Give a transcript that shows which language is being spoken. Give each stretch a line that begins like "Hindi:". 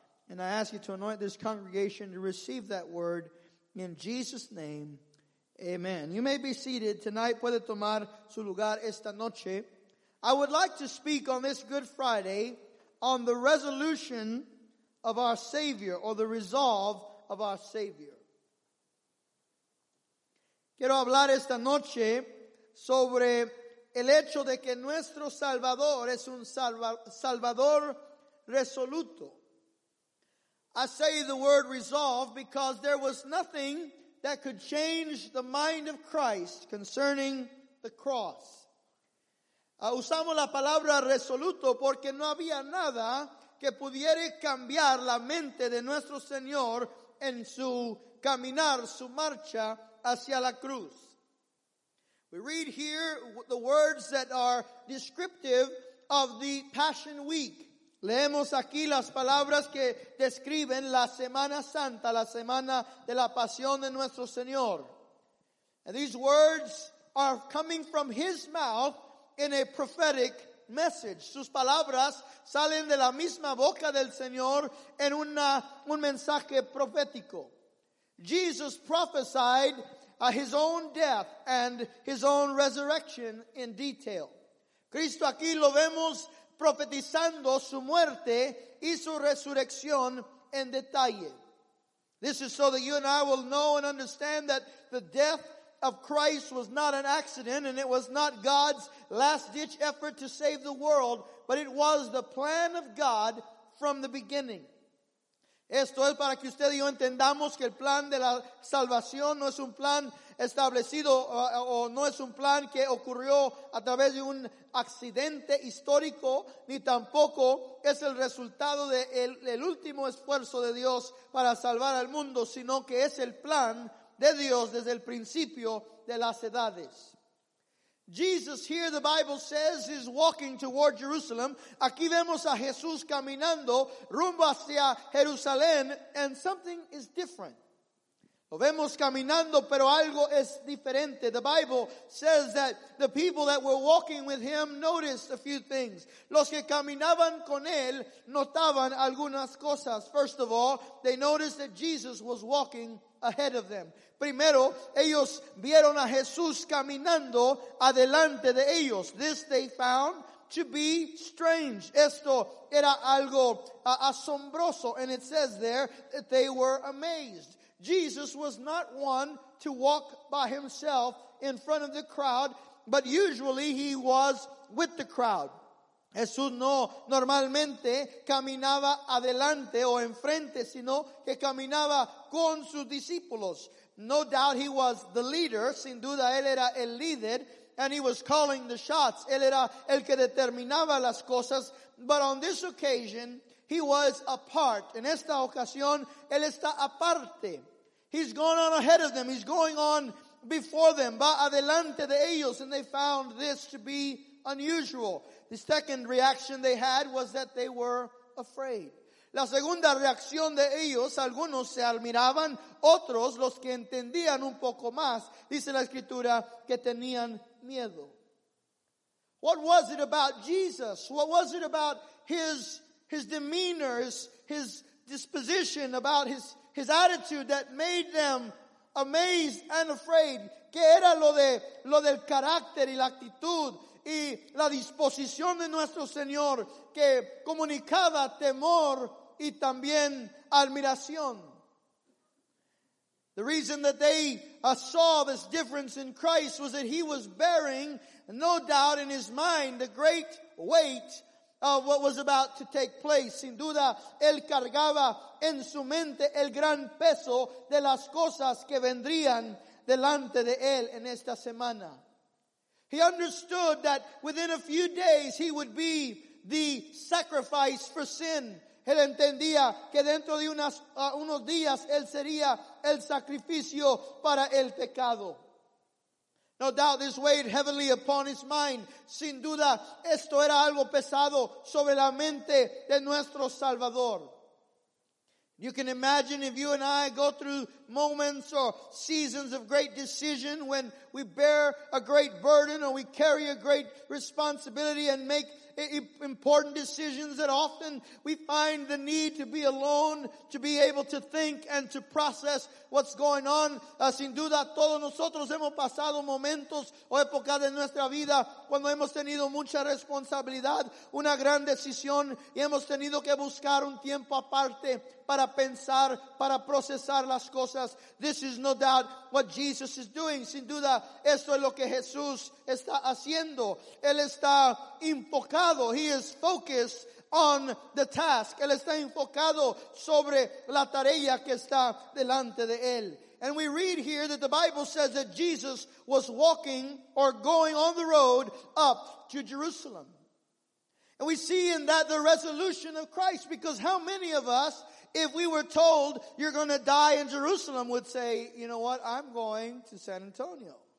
English: And I ask you to anoint this congregation to receive that word in Jesus' name. Amen. You may be seated tonight.
Spanish: Puede tomar su lugar esta noche.
English: I would like to speak on this Good Friday on the resolution of our Savior, or the resolve of our Savior.
Spanish: Quiero hablar esta noche sobre el hecho de que nuestro Salvador es un Salvador resoluto.
English: I say the word resolve because there was nothing that could change the mind of Christ concerning the cross.
Spanish: Usamos la palabra resoluto porque no había nada que pudiera cambiar la mente de nuestro Señor en su caminar, su marcha hacia la cruz.
English: We read here the words that are descriptive of the Passion Week.
Spanish: Leemos aquí las palabras que describen la Semana Santa, la Semana de la Pasión de nuestro Señor.
English: And these words are coming from his mouth in a prophetic message.
Spanish: Sus palabras salen de la misma boca del Señor en un mensaje profético.
English: Jesus prophesied his own death and his own resurrection in detail.
Spanish: Cristo aquí lo vemos profetizando su muerte y su resurrección en detalle.
English: This is so that you and I will know and understand that the death of Christ was not an accident, and it was not God's last ditch effort to save the world, but it was the plan of God from the beginning.
Spanish: Esto es para que usted y yo entendamos que el plan de la salvación no es un plan establecido o no es un plan que ocurrió a través de un accidente histórico, ni tampoco es el resultado de el último esfuerzo de Dios para salvar al mundo, sino que es el plan de Dios desde el principio de las edades.
English: Jesus, here the Bible says, is walking toward Jerusalem.
Spanish: Aquí vemos a Jesús caminando rumbo hacia Jerusalén,
English: and something is different.
Spanish: Lo vemos caminando, pero algo es diferente.
English: The Bible says that the people that were walking with him noticed a few things.
Spanish: Los que caminaban con él notaban algunas cosas.
English: First of all, they noticed that Jesus was walking ahead of them.
Spanish: Primero, ellos vieron a Jesús caminando adelante de ellos.
English: This they found to be strange.
Spanish: Esto era algo asombroso.
English: And it says there that they were amazed. Jesus was not one to walk by himself in front of the crowd, but usually he was with the crowd.
Spanish: Jesús no normalmente caminaba adelante o enfrente, sino que caminaba con sus discípulos.
English: No doubt he was the leader.
Spanish: Sin duda, él era el líder,
English: and he was calling the shots.
Spanish: Él era el que determinaba las cosas,
English: but on this occasion, he was apart.
Spanish: En esta ocasión, él está aparte.
English: He's going on ahead of them. He's going on before them.
Spanish: Va adelante de ellos.
English: And they found this to be unusual. The second reaction they had was that they were afraid.
Spanish: La segunda reacción de ellos, algunos se admiraban, otros, los que entendían un poco más, dice la escritura, que tenían miedo.
English: What was it about Jesus? What was it about his demeanor, his disposition, about his attitude that made them amazed and afraid?
Spanish: ¿Qué era lo del carácter y la actitud y la disposición de nuestro Señor que comunicaba temor y también admiración?
English: The reason that they saw this difference in Christ was that he was bearing, no doubt in his mind, the great weight of what was about to take place.
Spanish: Sin duda, él cargaba en su mente el gran peso de las cosas que vendrían delante de él en esta semana.
English: He understood that within a few days he would be the sacrifice for sin.
Spanish: Él entendía que dentro de unos días él sería el sacrificio para el pecado.
English: No doubt this weighed heavily upon his mind.
Spanish: Sin duda, esto era algo pesado sobre la mente de nuestro Salvador.
English: You can imagine if you and I go through moments or seasons of great decision when we bear a great burden or we carry a great responsibility and make important decisions, that often we find the need to be alone to be able to think and to process what's going on.
Spanish: Sin duda, todos nosotros hemos pasado momentos o épocas de nuestra vida cuando hemos tenido mucha responsabilidad, una gran decisión, y hemos tenido que buscar un tiempo aparte para pensar, para procesar las cosas.
English: This is no doubt what Jesus is doing.
Spanish: Sin duda, esto es lo que Jesús está haciendo. Él está enfocado.
English: He is focused on the task.
Spanish: Él está enfocado sobre la tarea que está delante de él.
English: And we read here that the Bible says that Jesus was walking or going on the road up to Jerusalem. And we see in that the resolution of Christ, because how many of us, if we were told you're going to die in Jerusalem, would say, you know what, I'm going to San Antonio.